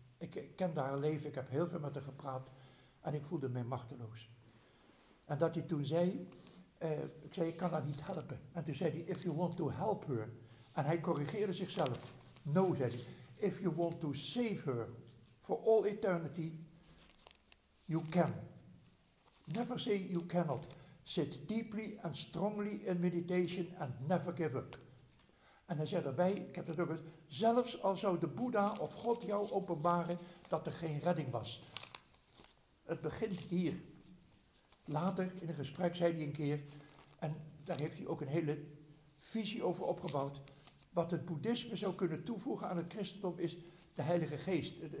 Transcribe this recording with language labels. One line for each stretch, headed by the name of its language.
Dutch: Ik ken daar een leven, ik heb heel veel met haar gepraat en ik voelde mij machteloos. En dat hij toen zei, ik zei, ik kan haar niet helpen. En toen zei hij,
English: if you want to help her.
Dutch: En hij corrigeerde zichzelf.
English: No,
Dutch: zei hij,
English: if you want to save her for all eternity, you can. Never say you cannot. Sit deeply and strongly in meditation and never give up.
Dutch: En hij zei daarbij, ik heb het ook gezegd, zelfs al zou de Boeddha of God jou openbaren dat er geen redding was. Het begint hier. Later in een gesprek zei hij een keer, en daar heeft hij ook een hele visie over opgebouwd, wat het boeddhisme zou kunnen toevoegen aan het christendom is de Heilige Geest.